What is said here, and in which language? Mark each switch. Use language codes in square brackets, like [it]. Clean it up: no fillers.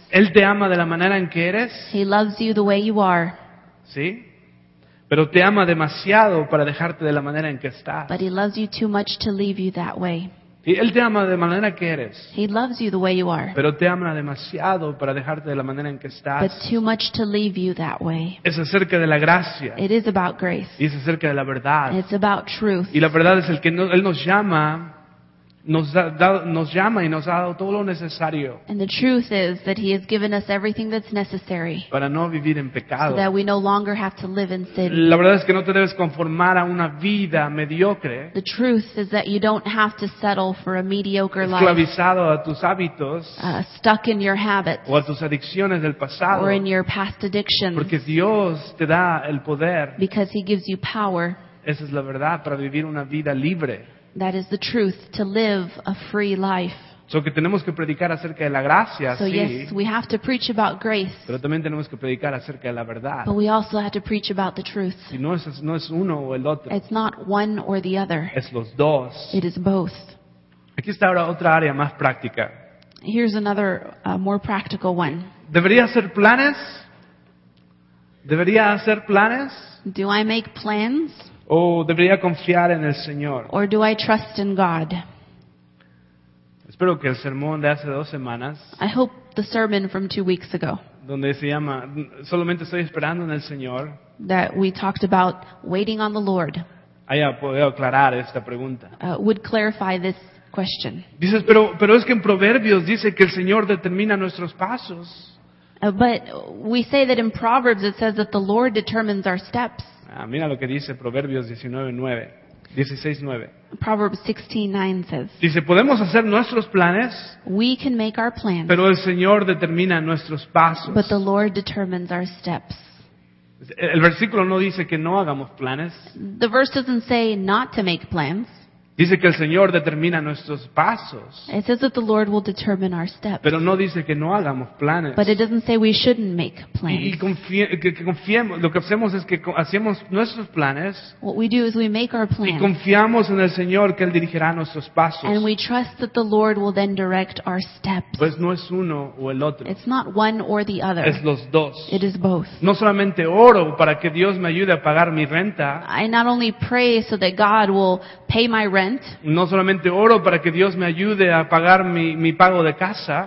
[es] Él te ama de la manera en que eres. [en] He loves you the way you are. [es] ¿Sí? Pero te ama demasiado para dejarte de la manera en que estás. [en] But He loves you too much to leave you that way. [es] Y Él te ama de manera que eres. [en] He loves you the way you are. [es] Pero te ama demasiado para dejarte de la manera en que estás. [en] But too much to leave you that way. [es] Es acerca de la gracia. [en] It is about grace. [es] Y es acerca de la verdad. [en] It's about truth. [es] Y la verdad es el que no, Él nos llama, nos llama y nos ha dado todo lo necesario. [en] And the truth is that He has given us everything that's necessary. [es] Para no vivir en pecado. [en] So that we no longer have to live in sin. [es] La verdad es que no te debes conformar a una vida mediocre. [en] The truth is that you don't have to settle for a mediocre life. [es] Esclavizado a tus hábitos. [en] Stuck in your habits. [es] O a tus adicciones del pasado. [en] Or in your past addictions. [es] Porque Dios te da el poder. [en] Because He gives you power. [es] Esa es la verdad para vivir una vida libre. [en] That is the truth, to live a free life. [es] So, que tenemos que predicar acerca de la gracia, [en] so [es] sí, [en] yes, we have to preach about grace. [es] Pero también tenemos que predicar acerca de la verdad. [en] But we also have to preach about the truth. [es] Y no es uno o el otro. [en] It's not one or the other. [es] Es los dos. [en] It is both. [es] Aquí está ahora otra área más práctica. [en] Here's another more practical one. [es] ¿Debería hacer planes? ¿Debería hacer planes? [en] Do I make plans? [es] ¿O debería confiar en el Señor? [en] Or do I trust in God? [es] Espero que el sermón de hace dos semanas. [en] I hope the sermon from 2 weeks ago. [es] Donde se llama solamente estoy esperando en el Señor. [en] That we talked about waiting on the Lord. [es] Haya podido aclarar esta pregunta. [en] Would clarify this question. [es] Dices, pero es que en Proverbios dice que el Señor determina nuestros pasos. [en] But we say that in Proverbs it says that the Lord determines our steps. [es] Mira lo que dice Proverbios 19:9. 16:9. [en] Proverbs 16:9 says. [es] Dice, podemos hacer nuestros planes. [en] We can make our plans. [es] Pero el Señor determina nuestros pasos. [en] But the Lord determines our steps. [es] El versículo no dice que no hagamos planes. [en] The verse doesn't say not to make plans. [es] Dice que el Señor determina nuestros pasos. [en] It says that the Lord will determine our steps. [es] Pero no dice que no hagamos planes. [en] But it doesn't say we shouldn't make plans. [es] Y confiemos, lo que hacemos es que hacemos nuestros planes. [en] What we do is we make our plans. [es] Y confiamos en el Señor que Él dirigirá nuestros pasos. [en] And we trust that the Lord will then direct our steps. [es] Pues no es uno o el otro. [en] It's not one or the other. [es] Es los dos. [en] It is both. [es] No solamente oro para que Dios me ayude a pagar mi renta. [en] I not only pray so that God will pay my rent. [es] No solamente oro para que Dios me ayude a pagar mi pago de casa.